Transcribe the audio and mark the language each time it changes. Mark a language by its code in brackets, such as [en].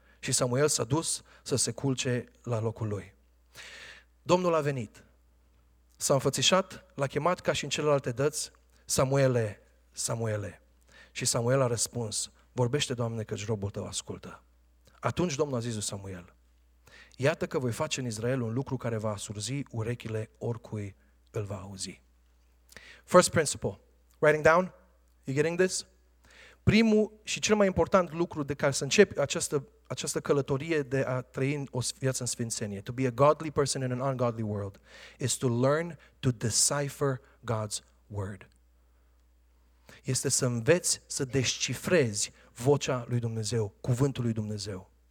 [ro] Și Samuel s-a dus să se culce la locul lui. Domnul a venit, s-a înfățișat, l-a chemat ca și în celelalte dăți, Samuele, Samuele. Și Samuel a răspuns, vorbește, Doamne, căci robul tău ascultă. Atunci Domnul a zis lui Samuel, iată că voi face în Israel un lucru care va surzi urechile oricui îl va auzi. [en] First principle, writing down, you getting this? [ro] Primul și cel mai important lucru de care să începi această călătorie de a trăi o viață în sfințenie, [en] to be a godly person in an ungodly world, is to learn to decipher God's word. [ro] Este să înveți să descifrezi vocea lui Dumnezeu, cuvântul lui Dumnezeu.